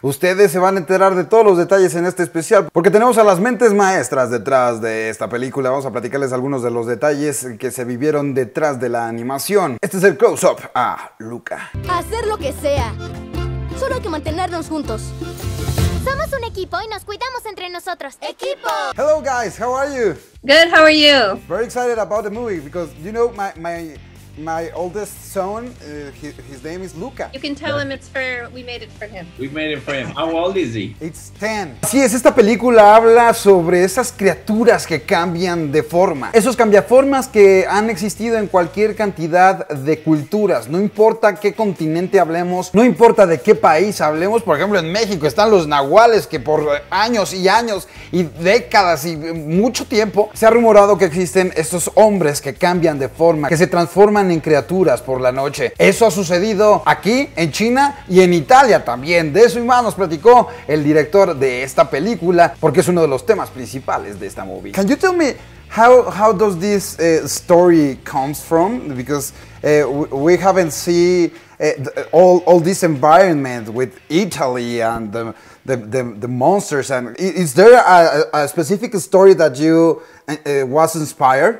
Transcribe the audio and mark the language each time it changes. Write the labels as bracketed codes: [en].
[es] Ustedes se van a enterar de todos los detalles en este especial porque tenemos a las mentes maestras detrás de esta película. Vamos a platicarles algunos de los detalles que se vivieron detrás de la animación. Este es el close-up a Luca. Hacer lo que sea, solo hay que mantenernos juntos. Somos un equipo y nos cuidamos entre nosotros. ¡Equipo! [en] Hello guys, how are you? Good, how are you? Very excited about the movie because, you know, my oldest son, his name is Luca. You can tell him it's for, we made it for him. We made it for him. How old is he? It's 10. [es] Así es, esta película habla sobre esas criaturas que cambian de forma. Esos cambiaformas que han existido en cualquier cantidad de culturas. No importa qué continente hablemos, no importa de qué país hablemos. Por ejemplo, en México están los nahuales que por años y años y décadas y mucho tiempo se ha rumorado que existen estos hombres que cambian de forma, que se transforman en criaturas por la noche. Eso ha sucedido aquí en China y en Italia también. De eso y más nos platicó el director de esta película, porque es uno de los temas principales de esta [en] movie. Can you tell me how does this story comes from? Because we haven't seen all this environment with Italy and the monsters. And is there a specific story that you was inspired?